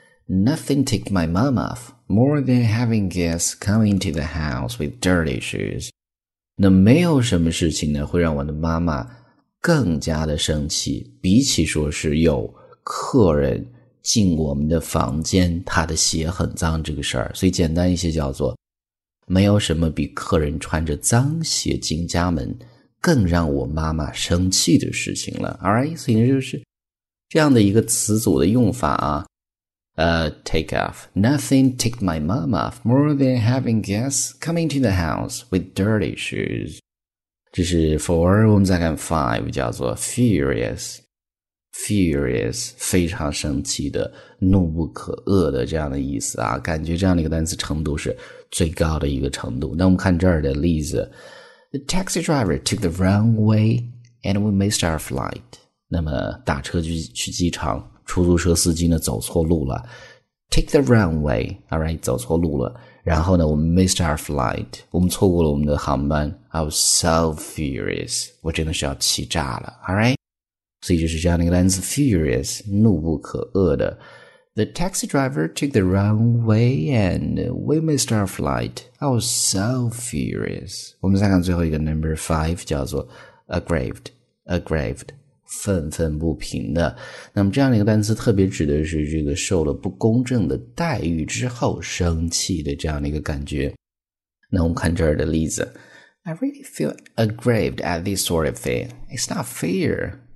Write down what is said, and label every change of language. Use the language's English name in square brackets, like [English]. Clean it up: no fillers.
[English] Nothing ticked my mom off more than having guests come into the house with dirty shoes. [Chinese] 那没有什么事情呢会让我的妈妈更加的生气，比起说是有客人进我们的房间她的鞋很脏这个事儿。所以简单一些叫做，没有什么比客人穿着脏鞋进家门更让我妈妈生气的事情了。 Alright， 所以就是这样的一个词组的用法啊。 [English] Take off. Nothing ticked my mom off more than having guests coming to the house with dirty shoes. [Chinese] 这是 4, 我们再看 5, 叫做 furious. Furious, 非常生气的，怒不可遏的这样的意思啊，感觉这样的一个单词程度是最高的一个程度。那我们看这儿的例子。 [English] The taxi driver took the wrong way and we missed our flight. [Chinese] 那么打车去机场。出租车司机呢走错路了 ， [English] take the wrong way， [Chinese] alright， 走错路了。然后呢，我们 [English] missed our flight， [Chinese] 我们错过了我们的航班。 [English] I was so furious， [Chinese] 我真的是要气炸了 ，alright。所以就是这样的一个单词 ，furious， 怒不可遏的。 [English] The taxi driver took the wrong way and we missed our flight. I was so furious。 [Chinese] 我们再看最后一个 [English] number five， [Chinese] 叫做 aggrieved。愤愤不平的，那么这样的一个单词特别指的是这个受了不公正的待遇之后生气的这样的一个感觉。那我们看这儿的例子。 [English] I really feel aggrieved at this sort of thing. It's not fair.